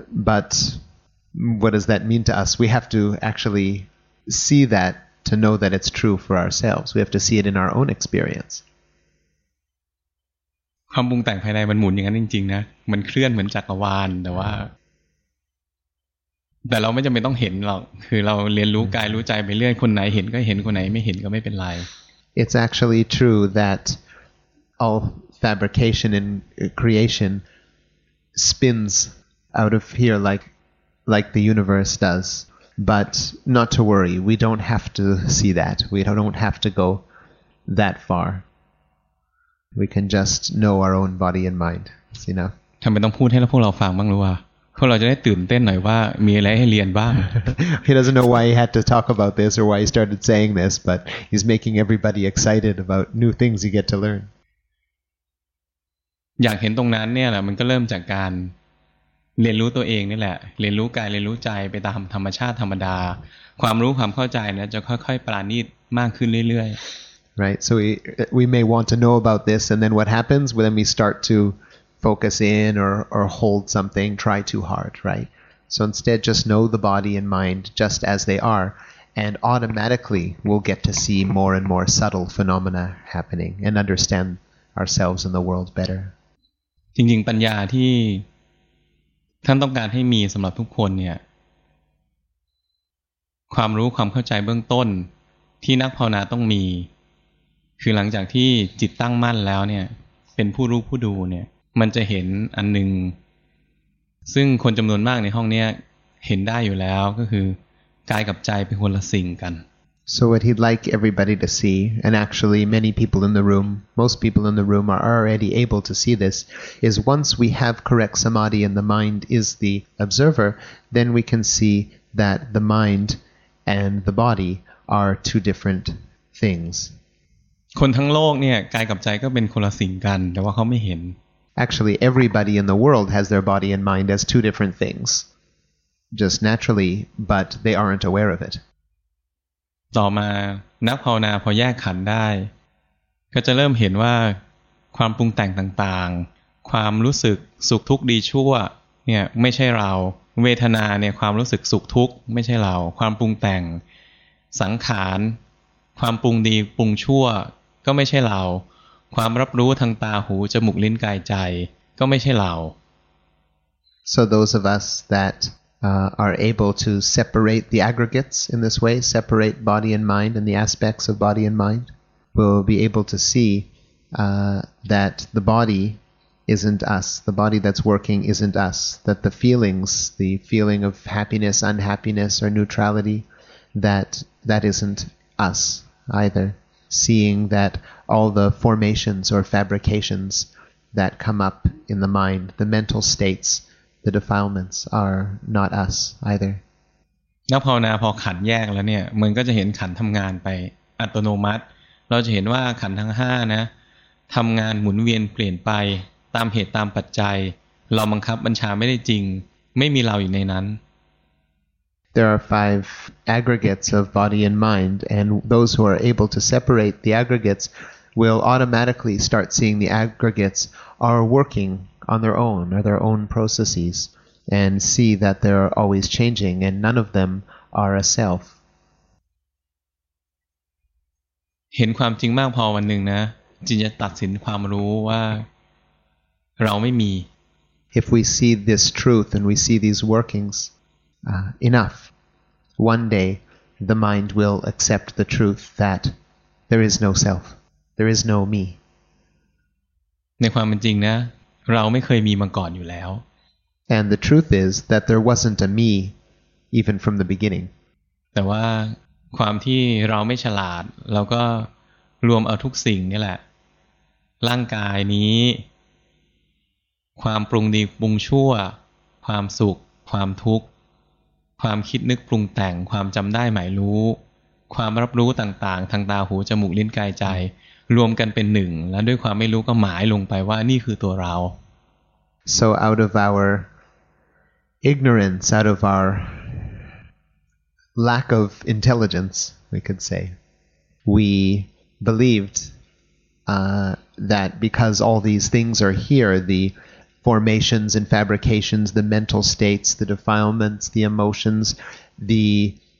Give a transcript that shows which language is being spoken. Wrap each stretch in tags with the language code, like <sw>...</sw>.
<en>But what does that mean to us? We have to actually see that to know that it's true for ourselves. We have to see it in our own experience.</en> <th>ความปรุงแต่งภายในมันหมุนอย่างนั้นจริงๆนะมันเคลื่อนเหมือนจักรวาลแต่ว่าแต่เราไม่จำเป็นต้องเห็นหรอกคือเราเรียนรู้กายรู้ใจไปเรื่อยคนไหนเห็นก็เห็นคนไหนไม่เห็นก็ไม่เป็นไร</th> <en>It's actually true that all fabrication in creation spins out of here like the universe does but not to worry we don't have to see that we don't have to go that far we can just know our own body and mind you know</en> <th>ทำไมต้องพูดให้พวกเราฟังบ้างรู้ว่าพวกเราจะได้ตื่นเต้นหน่อยว่ามีอะไรให้เรียนบ้าง</th> <en>He doesn't know why he had to talk about this or why he started saying this but he's making everybody excited about new things you get to learn</en> <th>อยากเห็นตรงนั้นเนี่ยแหละมันก็เริ่มจากการเรียนรู้ตัวเองนี่แหละเรียนรู้กายเรียนรู้ใจไปตามธรรมชาติธรรมดาความรู้ความเข้าใจนะจะค่อยๆปราณีตมากขึ้นเรื่อย</th> <en>ๆ Right so we may want to know about this and then what happens when we start toFocus in or hold something, try too hard, right? So instead, just know the body and mind just as they are, and automatically we'll get to see more and more subtle phenomena happening and understand ourselves and the world better.</en> <th>จริงๆปัญญาที่ท่านต้องการให้มีสำหรับทุกคนเนี่ยความรู้ความเข้าใจเบื้องต้นที่นักภาวนาต้องมีคือหลังจากที่จิตตั้งมั่นแล้วเนี่ยเป็นผู้รู้ผู้ดูเนี่ยมันจะเห็นอันหนึ่งซึ่งคนจำนวนมากในห้องนี้เห็นได้อยู่แล้วก็คือกายกับใจเป็นคนละสิ่งกัน</th> <en>So what he'd like everybody to see, and actually many people in the room, most people in the room are already able to see this, is once we have correct samadhi and the mind is the observer, then we can see that the mind and the body are two different things.</en> <th>คนทั้งโลกเนี่ยกายกับใจก็เป็นคนละสิ่งกันแต่ว่าเขาไม่เห็น</th> <en>Actually, everybody in the world has their body and mind as two different things, just naturally, but they aren't aware of it.</en> <th>ต่อมานักภาวนาพอแยกขันธ์ได้ก็จะเริ่มเห็นว่าความปรุงแต่งต่างๆความรู้สึกสุขทุกข์ดีชั่วเนี่ยไม่ใช่เราเวทนาเนี่ยความรู้สึกสุขทุกข์ไม่ใช่เราความปรุงแต่งสังขารความปรุงดีปรุงชั่วก็ไม่ใช่เราความรับรู้ทางตาหูจมูกลิ้นกายใจก็ไม่ใช่เรา</th> <en>So those of us that are able to separate the aggregates in this way, separate body and mind and the aspects of body and mind, will be able to see that the body isn't us. The body that's working isn't us. That the feelings, the feeling of happiness, unhappiness, or neutrality, that isn't us either. Seeing that all the formations or fabrications that come up in the mind, the mental states, the defilements are not us either.</en> <th>นักภาวนาพอขันธ์แยกแล้วเนี่ยมันก็จะเห็นขันธ์ทำงานไปอัตโนมัติเราจะเห็นว่าขันธ์ทั้ง5นะทำงานหมุนเวียนเปลี่ยนไปตามเหตุตามปัจจัยเราบังคับบัญชาไม่ได้จริงไม่มีเราอยู่ในนั้น</th> <en>There are 5 aggregates of body and mind, and those who are able to separate the aggregates will automatically start seeing the aggregates are working on their own, or their own processes, and see that they're always changing, and none of them are a self.</en> <th>เห็นความจริงมากพอวันหนึ่งนะจึงจะตัดสินความรู้ว่าเราไม่มี</th> <en>If we see this truth and we see these workings,enough. One day, the mind will accept the truth that there is no self, there is no me.</en> <th>ในความเป็นจริงนะเราไม่เคยมีมาก่อนอยู่แล้ว</th> <en>And the truth is that there wasn't a me even from the beginning.</en> <th>แต่ว่าความที่เราไม่ฉลาดเราก็รวมเอาทุกสิ่งนี่แหละร่างกายนี้ความปรุงดีปรุงชั่วความสุขความทุกข์ความคิดนึกปรุงแต่งความจำได้หมายรู้ความรับรู้ต่างๆทางตาหูจมูกลิ้นกายใจรวมกันเป็นหนึ่งและด้วยความไม่รู้ก็หมายลงไปว่านี่คือตัวเรา</th> <en>So out of our ignorance, out of our lack of intelligence, we could say, we believed that because all these things are here, theformations and fabrications, the mental states, the defilements, the emotions, the</en>